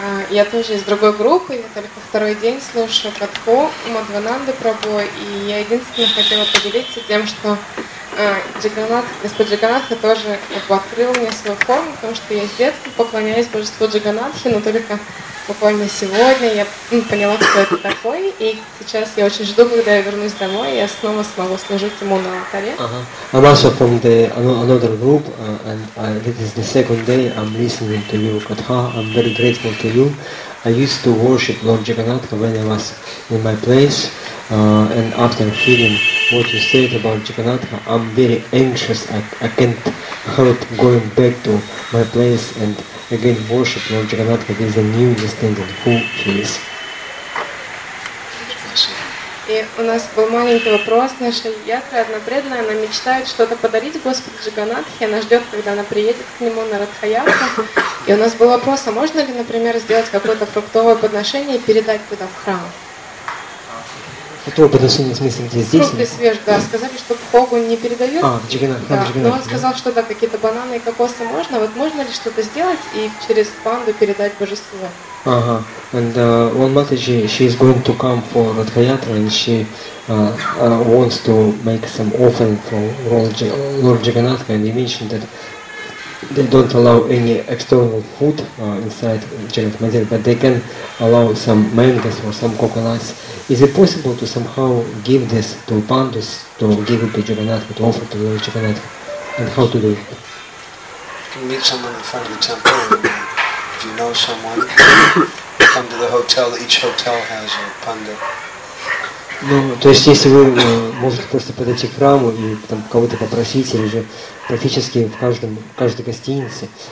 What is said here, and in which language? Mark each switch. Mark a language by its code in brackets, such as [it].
[ru] Я тоже из другой группы, я только второй день слушаю Катху Мадхавананды Прабху, и я единственное хотела поделиться тем, что Господь Джаганатха тоже открыл мне свою форму, потому что я с детства поклоняюсь Божеству Джаганатхе, но только буквально сегодня я поняла, кто это такой, и сейчас я очень жду, когда я вернусь домой, я снова смогу служить ему на алтаре. Uh-huh. [en] I'm also from the another group, and this is the second day I'm listening to you, Katha. I'm very grateful to you. I used to worship Lord Jagannatha when I was in my place, and after hearing what you said about Jagannatha, I'm very anxious. I can't help going back to my place and again worship Lord Jagannatha with a new understanding of who he is. [ru] Спасибо. И у нас был маленький вопрос. Наша ятра, одна преданная, она мечтает что-то подарить Господу Джаганатхе. Она ждет, когда она приедет к нему на Радхаятру. И у нас был вопрос, а можно ли, например, сделать какое-то фруктовое подношение и передать туда в храм? Фруктовое подношение, в смысле, где здесь? Фрукты свежие, да. Сказали, что Богу не передают. А, в Джаганатхе. Да. Но он сказал, что да, какие-то бананы и кокосы можно. Вот можно ли что-то сделать и через панду передать Божеству? [en] Ага, and one Mataji, she is going to come for Radhayatra and she wants to make some offering for Lord Jagannath, and he mentioned that they don't allow any external food inside Jagannath Mandir, but they can allow some mangoes or some coconuts. Is it possible to somehow give this to Pandus, to give it to Jagannath, to offer to Lord Jagannath, and how to do it? You can meet someone in front of the temple. If you know someone, come to the hotel. Each hotel has a pandit. [ru] Ну, то есть, если вы можете просто подойти к храму и там кого-то попросить, или же практически в каждом каждой гостинице.